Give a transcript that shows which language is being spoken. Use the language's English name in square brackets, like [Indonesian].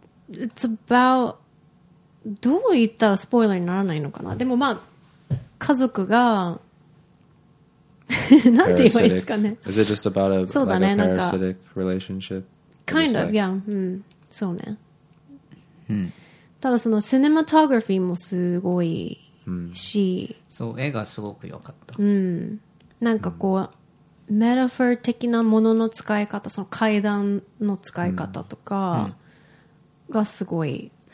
[English] It's about、 [Japanese] どう言ったらスポイラーにならないのかな、でもまあ家族がなんて言えばいいですかね、 [English] Is it just about a,、 [Japanese] ね、 [English] like、a parasitic relationship? Kind of、like? yeah、うん、 [Japanese] そうね、うん、ただそのシネマトグラフィーもすごいし、うん、そう絵がすごく良かった、うん、なんかこう、うん、メタフォー的なものの使い方、その階段の使い方とかがすごい、うんうん、